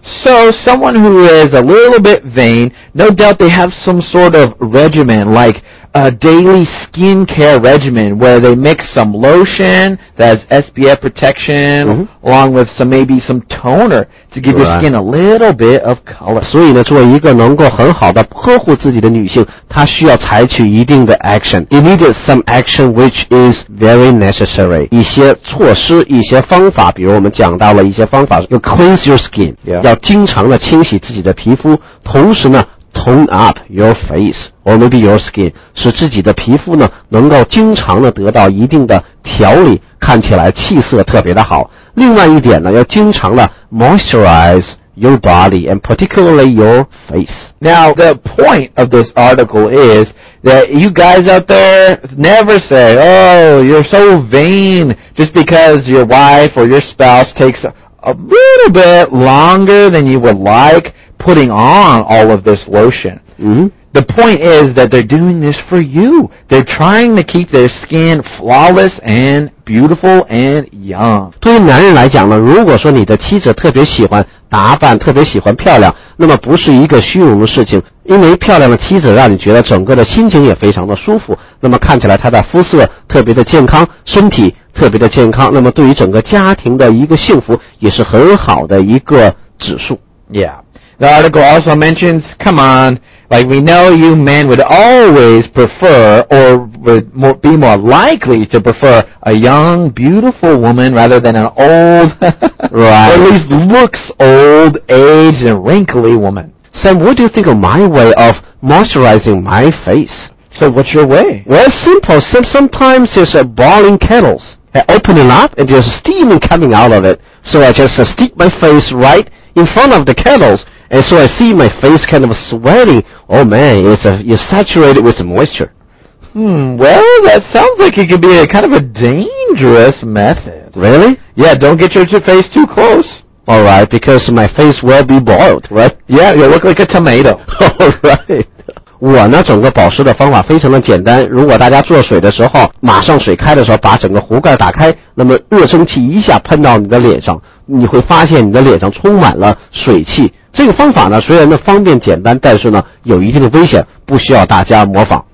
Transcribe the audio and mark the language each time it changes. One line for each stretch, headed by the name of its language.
English: So someone who is a little bit vain, no doubt they have some sort of regimen, like a daily skincare regimen where they mix some lotion that has SPF protection、 mm-hmm. along with some maybe some toner to give、 right. your skin a little bit of color.
Chinese: 所以呢，作为一个能够很好的呵护自己的女性，她需要采取一定的 action.
English: You need some action which is very necessary.
Chinese: 一些措施，一些方法，比如我们讲到了一些方法，要
English: cleanse your skin,、 yeah.
Chinese: 要经常的清洗自己的皮肤，同时呢
English: Tone up your face, or maybe your skin,
Chinese: 使自己的皮肤呢能够经常的得到一定的调理，看起来气色特别的好。另外一点呢，要经常的
English: moisturize your body and particularly your face. Now the point of this article is that you guys out there never say, "Oh, you're so vain," just because your wife or your spouse takes a little bit longer than you would like. Putting on all of this lotion.、 Mm-hmm. The point is that they're doing this for you. They're trying to keep their skin flawless and beautiful and young.
Chinese: 对于男人来讲呢，如果说你的妻子特别喜欢打扮，特别喜欢漂亮，那么不是一个虚荣的事情，因为漂亮的妻子让你觉得整个的心情也非常的舒服，那么看起来她的肤色特别的健康，身体特别的健康，那么对于整个家庭的一个幸福也是很好的一个指数。
English: Yeah. The article also mentions, come on, like we know you men would always prefer or would more, be more likely to prefer a young, beautiful woman rather than an old, right. or at least looks old, aged, and wrinkly woman. Sam, what do you think of my way of moisturizing my face? So what's your way? Well, simple. Sometimes it's boiling kettles. I open it up and there's steam coming out of it. So I just stick my face right in front of the kettles. And so I see my face kind of sweating. Oh man, you're saturated with moisture. Well, that sounds like it could be a kind of a dangerous method. Really? Yeah, don't get your face too close. All right, because my face will be boiled, right? Yeah, you look like a tomato. All right.
Chinese: 我呢，整个保湿的方法非常的简单。如果大家做水的时候，马上水开的时候，把整个壶盖打开，那么热蒸汽一下喷到你的脸上，你会发现你的脸上充满了水汽。这个方法呢，虽然呢方便简单，但是呢有一定的危险，不需要大家模仿。